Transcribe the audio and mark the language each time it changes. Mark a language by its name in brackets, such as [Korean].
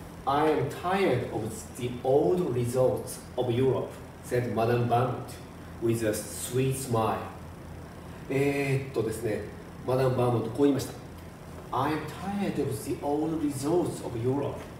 [English] I am tired of the old results of Europe, said Madame Bambut with a sweet smile. [Japanese] ですね、マダム・バーモントこう言いました。 [English] I am tired of the old results of Europe.